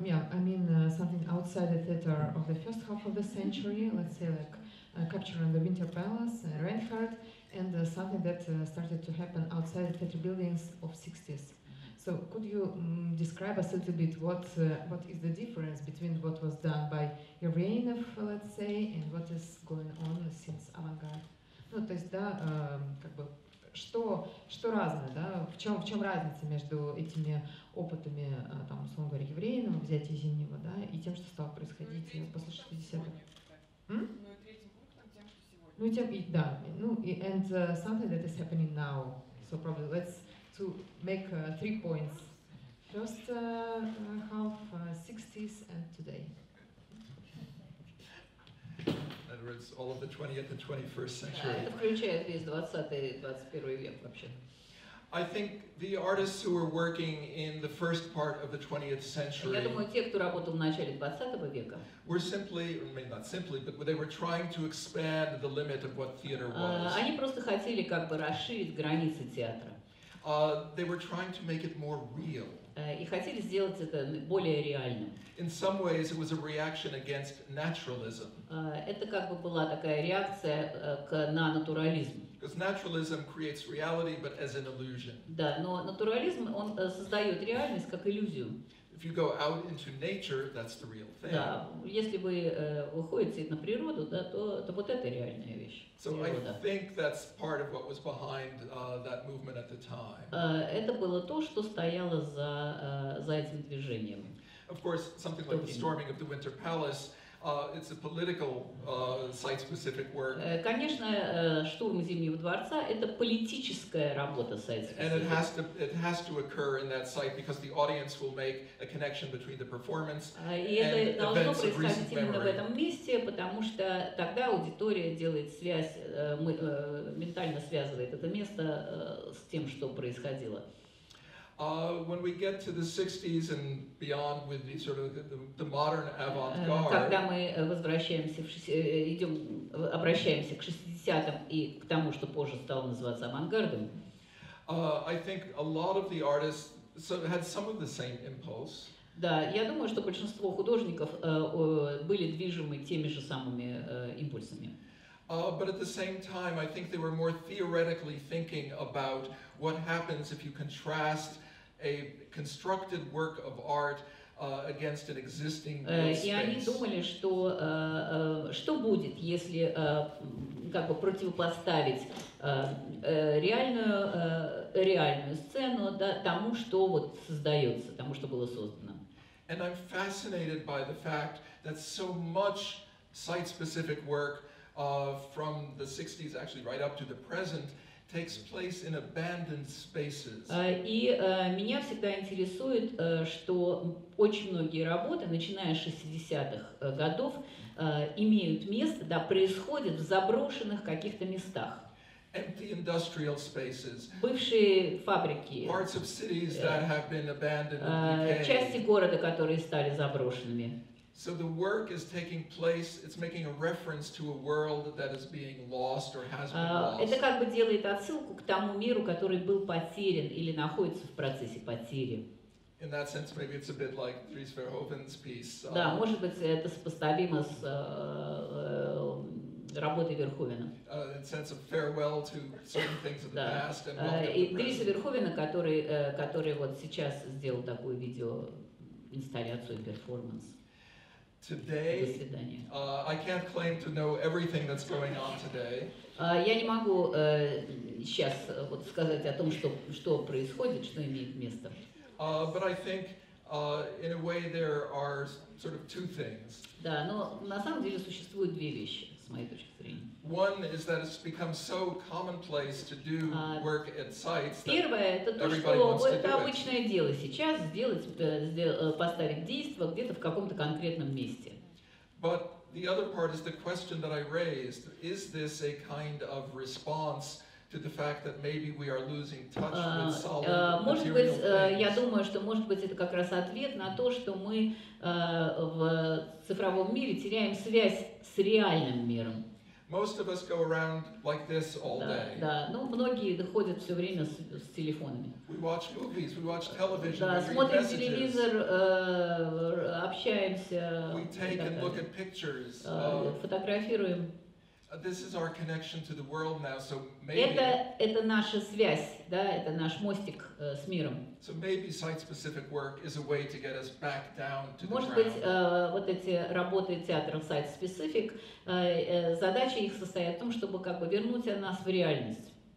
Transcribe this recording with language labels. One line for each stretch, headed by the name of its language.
English: Something outside the theater of the first half of the century, let's say like capture in the Winter Palace, Reinhardt, and something that started to happen outside the theater buildings of 60s. So could you describe us a little bit what is the difference between what was done by Ireneff, let's say, and what is going on since Avant-Garde?
Russian: Ну, то есть, да, как бы, что разное, да, в чем разница между этими опытами, там, условно говоря, Ireneff, взятие Зимнего, да, и тем, что стало происходить после 60-х. Ну и третьим пунктом, тем, что сегодня. Ну и тем, да, ну,
English: and something that is happening now. So probably let's to make three points. First half, 60s and today. In other words, all of the 20th and 21st century.
Russian: Это включает весь 20-й, 21-й век вообще.
English: I think the artists who were working in the first part of the 20th century.
Russian: Я думаю, те, кто работал в начале 20 века.
English: Were simply, or maybe not simply, but they were trying to expand the limit of what theater was.
Russian: Они просто хотели как бы расширить границы театра.
English: They were trying to make it more real.
Russian: И хотели сделать это более реальным.
English: In some ways, it was a reaction against naturalism.
Russian: Это как бы была такая реакция на натурализм.
English: Because naturalism creates reality, but as an illusion.
Russian: Да, но натурализм он создает реальность как иллюзию.
English: If you go out into nature, that's the real thing.
Russian: Да, если вы выходите на природу, да, то вот это реальная вещь.
English: So I think that's part of what was behind that movement at the time.
Russian: Это было то, что стояло за этим движением.
English: Of course, something like the storming of the Winter Palace. It's a political site-specific work.
Russian: Конечно, штурм Зимнего дворца – это политическая работа site-specific.
English: And it has to occur in that site because the audience will make a connection between the performance and events of recent memory.
Russian: И это должно происходить именно в этом месте, потому что тогда аудитория делает связь, ментально связывает это место с тем, что происходило.
English: When we get to the 60s and beyond with the sort of the modern avant-garde.
Russian: Когда мы обращаемся к 60-м и к тому, что позже стало называться авангардом.
English: I think a lot of the artists had some of the same impulse.
Russian: Да, я думаю, что большинство художников были движимы теми же самыми импульсами.
English: But at the same time, I think they were more theoretically thinking about what happens if you contrast a constructed work of art against an existing
Russian: И они думали, что что будет, если как бы противопоставить реальную реальную сцену да, тому, что вот создается, тому, что было создано.
English: And I'm fascinated by the fact that so much site-specific work from the 60s, actually right up to the present, takes place in abandoned spaces.
Russian: И меня всегда интересует, что очень многие работы, начиная с 60-х годов, имеют место, да, происходят в заброшенных каких-то местах.
English: Empty industrial spaces.
Russian: Бывшие фабрики.
English: Parts of cities that have been abandoned.
Russian: Части города, которые стали заброшенными.
English: So the work is taking place. It's making a reference to a world that is being lost or has been lost.
Russian: Это как бы делает отсылку к тому миру, который был потерян или находится в процессе потери.
English: In that sense, maybe it's a bit like Dries Verhoeven's piece.
Russian: Да, может быть, это сопоставимо с работы Верховена.
English: In sense of farewell to certain things of the past and welcome to the present.
Russian: И Дриса Верховена, который вот сейчас сделал такую видео инсталляцию перформанс.
English: Today, I can't claim to know everything that's going on today.
Russian: Я не могу сейчас вот сказать о том, что происходит, что имеет место.
English: But I think, in a way, there are sort of two things.
Russian: Да, но на самом деле существуют две вещи.
English: One is that it's become so commonplace to do work at sites.
Russian: Первое это то, что это обычное дело сейчас поставить действие где-то в каком-то конкретном месте.
English: But the other part is the question that I raised: is this a kind of response to the fact that maybe we are losing touch with solid material things?
Russian: Может быть, я думаю, что может быть это как раз ответ на то, что мы в цифровом мире теряем связь с реальным миром.
English: Most of us go around like this all day.
Russian: Да, ну многие ходят все время с телефонами.
English: We watch movies, we watch television,
Russian: да, смотрим телевизор, общаемся.
English: We take and look at pictures.
Russian: Фотографируем.
English: This is our connection to the world now, so maybe.
Russian: Это наша связь, да, это наш мостик с миром.
English: So maybe site-specific work is a way to get us back down to the ground.
Russian: Может быть, вот эти работы театра site-specific, задача их состоит в том, чтобы как бы вернуть нас в реальность.